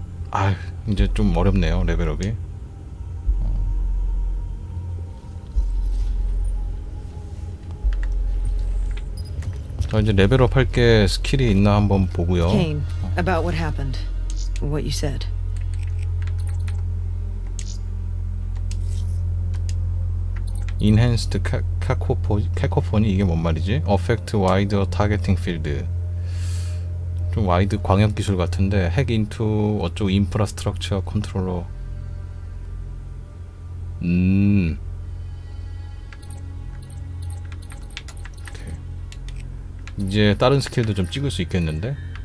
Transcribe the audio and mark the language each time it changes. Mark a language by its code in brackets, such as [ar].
[ko] 아휴 이제 좀 어렵네요 레벨업이. 자 이제 레벨업 할 게 스킬이 있나 한번 보고요. [en] Kane, about what happened, what you said. [ko] Enhanced cacophony 이게 뭔 말이지? [en] Affect wider targeting field. [ko] 좀 와이드 광역 기술 같은데 [en] hack into [ko] 어쩌고 [en] infrastructure controller. [ko] 이제 다른 스킬도 좀 찍을 수 있겠는데?